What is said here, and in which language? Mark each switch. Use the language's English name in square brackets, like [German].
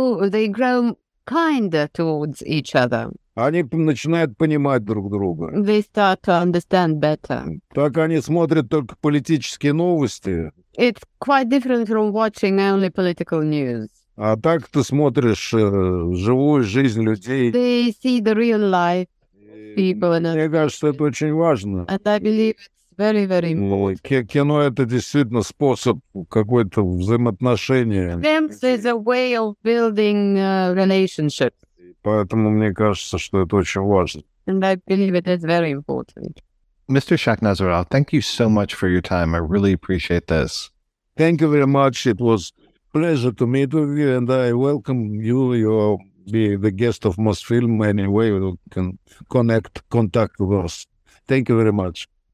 [English] They grow kinder towards each other. [Russian] Они начинают понимать друг друга. [English] They start to understand better. [Russian] Так они смотрят только политические новости. [English] It's quite different from watching only political news. [Russian] А так ты смотришь живую жизнь людей. [English] They see the real life people. [Russian] Мне кажется, это очень важно. [English] And I believe it's very, very important. [Russian] Кино — это действительно способ какой-то взаимоотношения. [English] Films is a way of building relationships. [Russian] Поэтому мне кажется, что это очень важно. [English] And I believe it is very important. Mr. Shakhnazarov, thank you so much for your time. I really appreciate this. Thank you very much. It was a pleasure to meet with you, and I welcome you. You'll be the guest of Mosfilm anyway. You can contact with us. Thank you very much.